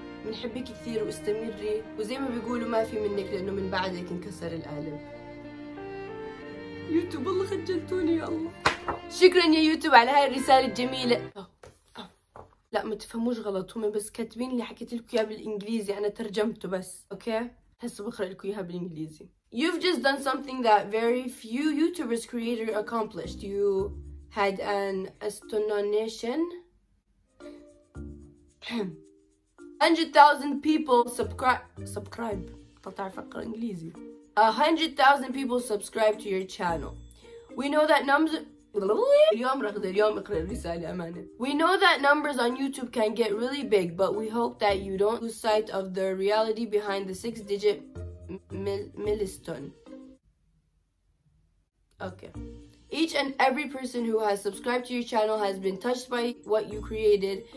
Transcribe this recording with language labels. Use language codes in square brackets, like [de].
[ar] بنحبك كثير واستمري، وزي ما بيقولوا ما في منك لانه من بعدك انكسر القالب. يوتيوب الله خجلتوني يا الله. شكرا يا يوتيوب على هاي الرساله الجميله. لا ما تفهموش غلط، هم بس كاتبين اللي حكيت لكم اياه بالانجليزي، انا ترجمته بس، اوكي؟ هسه بقرا لكم اياها بالانجليزي. [en] You've just done something that very few YouTubers creator accomplished. You had an astonishing 100,000 people subscribe. [ar] قطع فقر انجليزي. [en] 100,000 people subscribe to your channel. We know that numbers. [ar] اليوم رغد اليوم اقرا الرسالة أمانة. [en] We know that numbers on YouTube can get really big, but we hope that you don't lose sight of the reality behind the six-digit milestone. Okay. Each and every person who has subscribed to your channel has been touched by what you created.